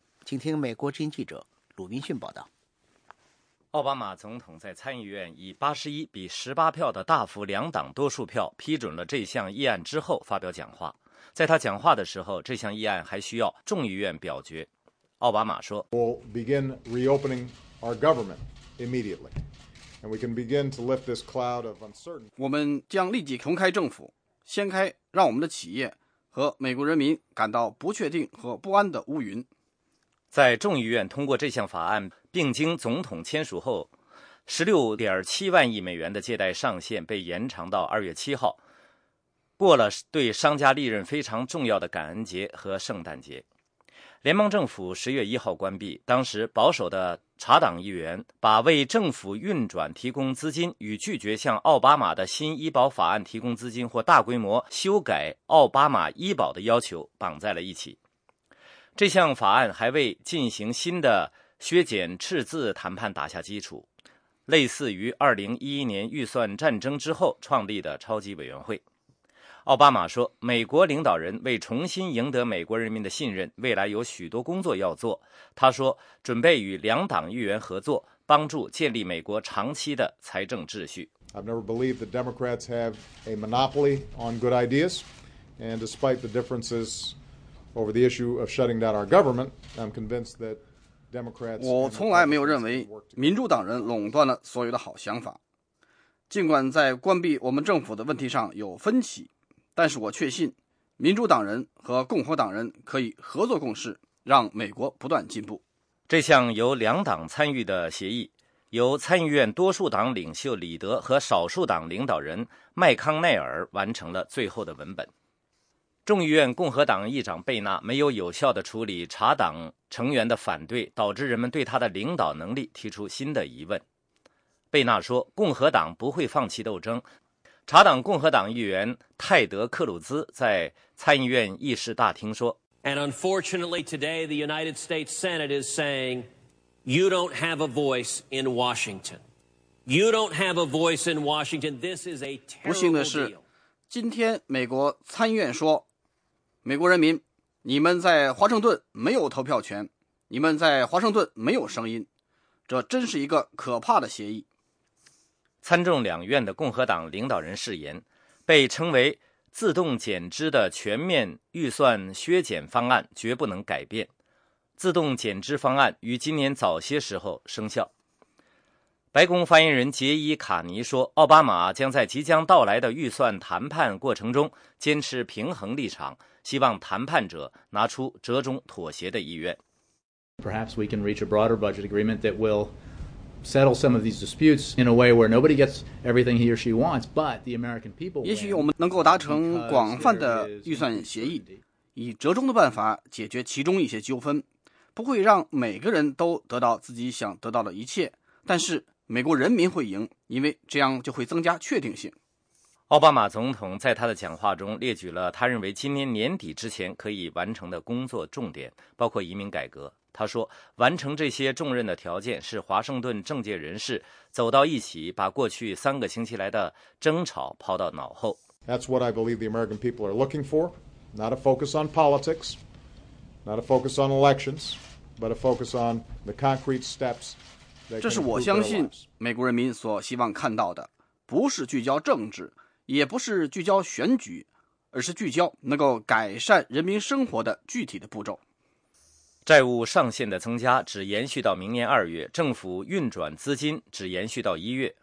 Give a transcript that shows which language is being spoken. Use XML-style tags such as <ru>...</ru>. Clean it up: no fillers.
<zh>请听美国之音记者鲁宾逊报道。奥巴马总统在参议院以81-18票的大幅两党多数票批准了这项议案之后发表讲话。在他讲话的时候，这项议案还需要众议院表决。奥巴马说</zh> <en>：“We'll begin reopening our government immediately, and we can begin to lift this cloud of uncertainty.”</en> <zh>我们将立即重开政府，掀开让我们的企业和美国人民感到不确定和不安的乌云。在众议院通过这项法案并经总统签署后，16.7万亿美元的借贷上限被延长到2月7号，过了对商家利润非常重要的感恩节和圣诞节。联邦政府10月1号关闭，当时保守的查党议员把为政府运转提供资金与拒绝向奥巴马的新医保法案提供资金或大规模修改奥巴马医保的要求绑在了一起。这项法案还为进行新的削减赤字谈判打下基础，类似于2011年预算战争之后创立的超级委员会。奥巴马说，美国领导人为重新赢得美国人民的信任，未来有许多工作要做。他说，准备与两党议员合作，帮助建立美国长期的财政秩序。</zh> <en>I've never believed the Democrats have a monopoly on good ideas, and despite the differences over the issue of shutting down our government, I'm convinced that Democrats.</en> <zh>我从来没有认为民主党人垄断了所有的好想法。尽管在关闭我们政府的问题上有分歧，但是我确信民主党人和共和党人可以合作共事，让美国不断进步。这项由两党参与的协议由参议院多数党领袖里德和少数党领导人麦康奈尔完成了最后的文本。众议院共和党议长贝纳没有有效地处理查党成员的反对，导致人们对他的领导能力提出新的疑问。贝纳说，共和党不会放弃斗争。查党共和党议员泰德·克鲁兹在参议院议事大厅说</zh> <en>And unfortunately today the United States Senate is saying You don't have a voice in Washington. You don't have a voice in Washington. This is a terrible</en> <zh>不幸的是，今天美国参议院说，美国人民，你们在华盛顿没有投票权，你们在华盛顿没有声音，这真是一个可怕的协议。参众两院的共和党领导人誓言，被称为自动减支的全面预算削减方案绝不能改变。自动减支方案于今年早些时候生效。白宫发言人杰伊·卡尼说，奥巴马将在即将到来的预算谈判过程中坚持平衡立场，希望谈判者拿出折中妥协的意愿。</zh> <en>Perhaps we can reach a broader budget agreement that will settle some of these disputes in a way where nobody gets everything he or she wants, but the American people.</en> <zh>也许我们能够达成广泛的预算协议，以折中的办法解决其中一些纠纷，不会让每个人都得到自己想得到的一切，但是美国人民会赢，因为这样就会增加确定性。奥巴马总统在他的讲话中列举了他认为今年年底之前可以完成的工作重点，包括移民改革。他说，完成这些重任的条件是华盛顿政界人士走到一起，把过去三个星期来的争吵抛到脑后。</zh> <en>That's what I believe the American people are looking for. Not a focus on politics, not a focus on elections, but a focus on the concrete steps.</en> <zh>这是我相信美国人民所希望看到的，不是聚焦政治，也不是聚焦选举，而是聚焦能够改善人民生活的具体的步骤。债务上限的增加只延续到明年二月，政府运转资金只延续到一月。</zh>